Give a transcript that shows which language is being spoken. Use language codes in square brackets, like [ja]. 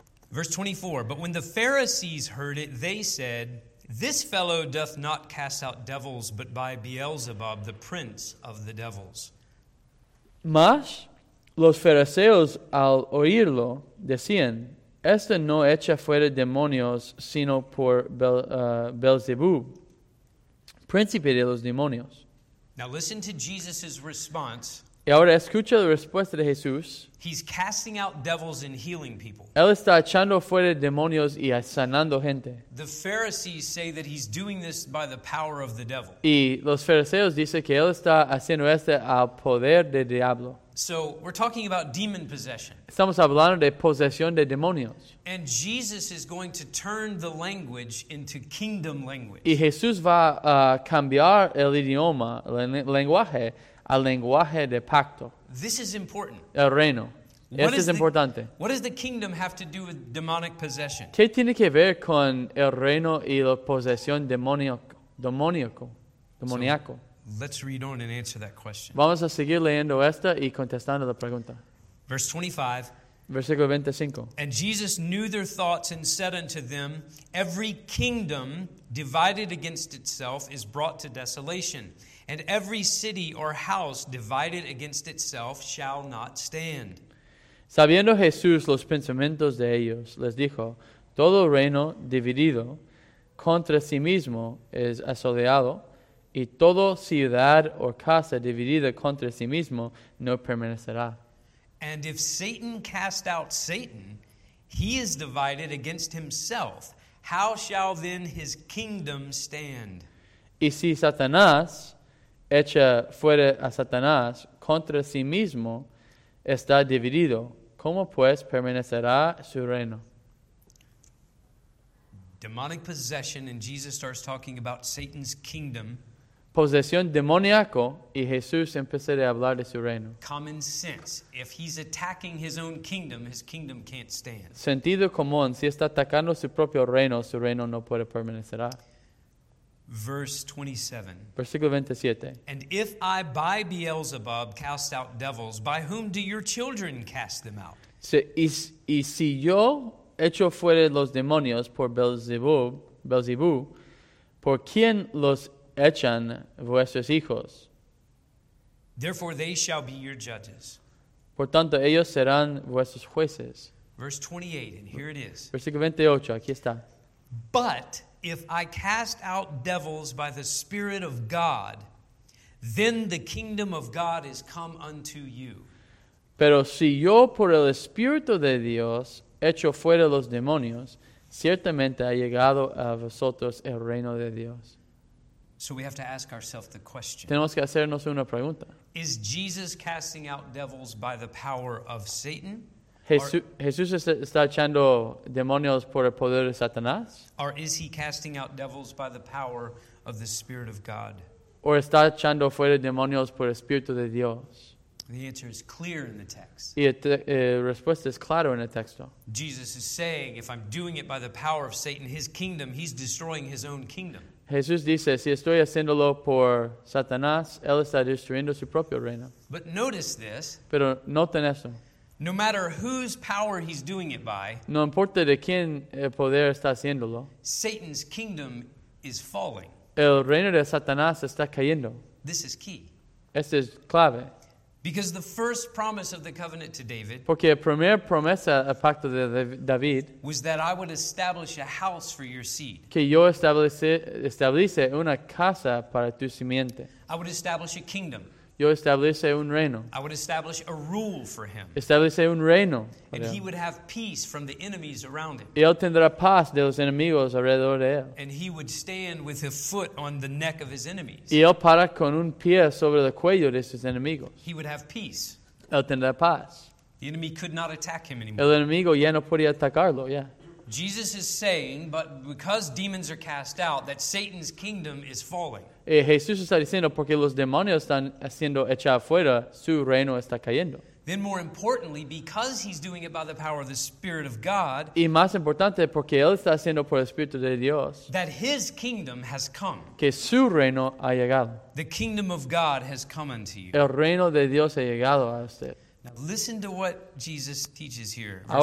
[en] Verse 24, but when the Pharisees heard it, they said, this fellow doth not cast out devils, but by Beelzebub, the prince of the devils. [es] Mas los fariseos al oírlo decían, este no echa fuera demonios, sino por Beelzebub, príncipe de los demonios. [en] Now listen to Jesus' response. [es] Y ahora escucha la respuesta de Jesús. [en] He's casting out devils and healing people. [es] Él está echando fuera demonios y sanando gente. [en] The Pharisees say that he's doing this by the power of the devil. [es] Y los fariseos dicen que él está haciendo esto al poder del diablo. [en] So we're talking about demon possession. [es] Estamos hablando de posesión de demonios. [en] And Jesus is going to turn the language into kingdom language. [es] Y Jesús va a cambiar el idioma, el lenguaje, al lenguaje de pacto. [en] This is important. [es] El reino. Esto es importante. [en] What does the kingdom have to do with demonic possession? [es] ¿Qué tiene que ver con el reino y la posesión demoníaco? [en] Let's read on and answer that question. [es] Vamos a seguir leyendo esta y contestando la pregunta. [en] Verse 25. [es] Versículo 25. [en] And Jesus knew their thoughts and said unto them, every kingdom divided against itself is brought to desolation, and every city or house divided against itself shall not stand. [es] Sabiendo Jesús los pensamientos de ellos, les dijo, todo reino dividido contra sí mismo es asolado, y toda ciudad o casa dividida contra sí mismo no permanecerá. [en] And if Satan cast out Satan, he is divided against himself. How shall then his kingdom stand? [es] Y si Satanás echa fuera a Satanás contra sí mismo, está dividido. ¿Cómo pues permanecerá su reino? [en] Demonic possession, and Jesus starts talking about Satan's kingdom. [es] Posesión demoníaco y Jesús empieza a hablar de su reino. [en] Common sense. If he's attacking his kingdom can't stand. [es] Sentido común. Si está atacando su reino no puede permanecerá. [en] Verse 27. [es] Versículo 27. [en] And if I by Beelzebub cast out devils, by whom do your children cast them out? [es] Y si yo echo fuera los demonios por Beelzebub, ¿por quién los echan vuestros hijos? [en] Therefore they shall be your judges. [es] Por tanto, ellos serán vuestros jueces. [en] Verse 28, and here it is. [es] Versículo 28, aquí está. [en] But if I cast out devils by the Spirit of God, then the kingdom of God is come unto you. [es] Pero si yo por el Espíritu de Dios echo fuera los demonios, ciertamente ha llegado a vosotros el reino de Dios. [en] So we have to ask ourselves the question. [es] Tenemos que hacernos una pregunta. [en] Is Jesus casting out devils by the power of Satan? [es] Jesús está echando demonios por el poder de Satanás? [en] Or is he casting out devils by the power of the Spirit of God? [es] ¿O está echando fuera demonios por el Espíritu de Dios? [en] The answer is clear in the text. [es] Y la respuesta es clara en el texto. [en] Jesus is saying, if I'm doing it by the power of Satan, his kingdom, he's destroying his own kingdom. [es] Jesús dice, si estoy haciéndolo por Satanás, él está destruyendo su propio reino. [en] But notice this. [es] Pero noten esto. [en] No matter whose power he's doing it by, [es] no importa de quién el poder está haciéndolo, [en] Satan's kingdom is falling. [es] El reino de Satanás está cayendo. [en] This is key. [es] Esto es clave. [en] Because the first promise of the covenant to David, [es] porque la primera promesa al pacto de David, [en] was that I would establish a house for your seed. [es] Que yo establece una casa para tu simiente. [en] I would establish a kingdom. [es] Yo establece un reino. [en] I would establish a rule for him. [es] Establece un reino. [en] And he would have peace from the enemies around him. [es] Y él tendrá paz de los enemigos alrededor de él. [en] And he would stand with a foot on the neck of his enemies. [es] Y él para con un pie sobre el cuello de sus enemigos. [en] He would have peace. [es] Él tendrá paz. [en] The enemy could not attack him anymore. [es] El enemigo ya no podía atacarlo, ya. [en] Jesus is saying, but because demons are cast out, that Satan's kingdom is falling. [es] Y Jesús está diciendo, porque los demonios están siendo echados afuera, su reino está cayendo. [en] Then more importantly, because he's doing it by the power of the Spirit of God, [es] y más importante, porque él está haciendo por el Espíritu de Dios, [en] that his kingdom has come. [es] Que su reino ha llegado. [en] The kingdom of God has come unto you. [es] El reino de Dios ha llegado a usted. [en] Now listen to what Jesus teaches here, verse